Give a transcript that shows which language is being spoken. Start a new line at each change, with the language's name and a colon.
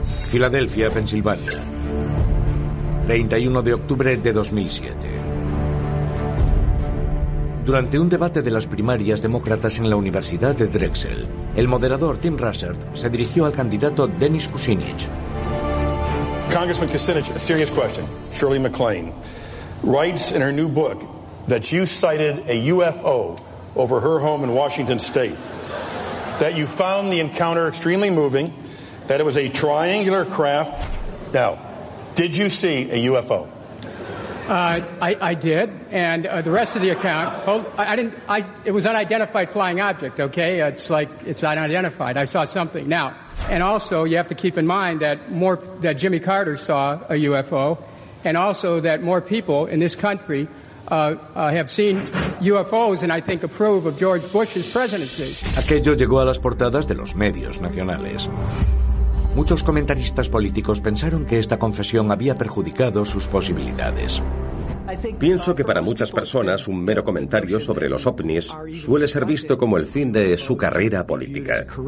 Spanish: Filadelfia, Pensilvania. 31 de octubre de 2007. Durante un debate de las primarias demócratas en la Universidad de Drexel, el moderador Tim Russert se dirigió al candidato Dennis Kucinich.
English: Congressman Kucinich, a serious question. Shirley MacLaine writes in her new book that you sighted a UFO over her home in Washington State, that you found the encounter extremely moving, that it was a triangular craft. Now, did you see a UFO? I did, and the rest of the account, it was an unidentified flying object, okay? It's unidentified. I saw something. Now, and also, you have to keep in mind that Jimmy Carter saw a UFO, and also that more people in this country have seen UFOs and I think approve of George Bush's presidency.
Spanish: Aquello llegó a las portadas de los medios nacionales. Muchos comentaristas políticos pensaron que esta confesión había perjudicado sus posibilidades. Pienso que para muchas personas un mero comentario sobre los ovnis suele ser visto como el fin de su carrera política.